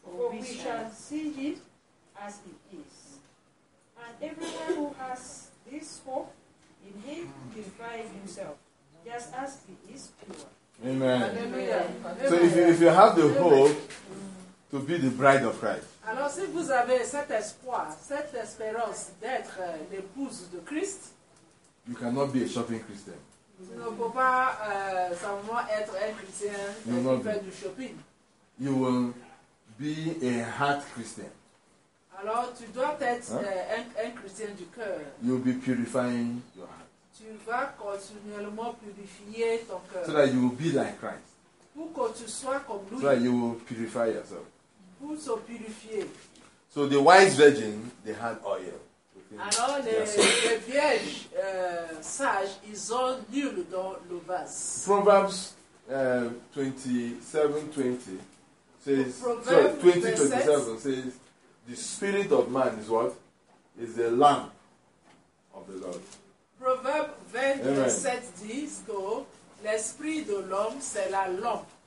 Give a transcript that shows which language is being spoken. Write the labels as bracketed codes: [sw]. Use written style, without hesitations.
[en] We shall see him as he is. And everyone who has this hope in him purifies himself, just as he is pure. Amen. Alleluia. So if you have the hope to be the bride of Christ. [fr] Alors si vous avez cet espoir, cette espérance d'être l'épouse de Christ, [en] you cannot be a shopping Christian. [fr] Vous ne pouvez pas simplement être un chrétien qui fait du shopping. [en] You will be a heart Christian. [fr] Alors tu dois être un chrétien du cœur. [en] You'll be purifying your heart. [fr] Tu vas continuellement purifier ton cœur. [en] So that you will be like Christ. [fr] Pour que tu sois comme lui. [en] So that you will purify yourself. [fr] Pour se purifier. [en] So the wise virgin, they had oil. [fr] Alors les vierges sages, ils ont l'huile dans le vase. [en] Proverbs 20:27 says, the spirit of man is what? Is the lamp of the Lord. [fr] Proverbe 27 dit que l'esprit de l'homme, c'est la lampe.